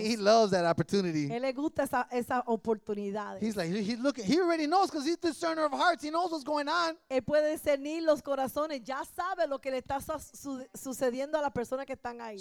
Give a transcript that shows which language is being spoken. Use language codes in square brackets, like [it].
[en] He loves that opportunity. [es] Él le gusta esa oportunidad. [en] He's like, he's looking, he already knows because he's the discerner of hearts. He knows what's going on. [es] Él puede discernir los corazones. Ya sabe lo que le está sucediendo a las personas que están ahí.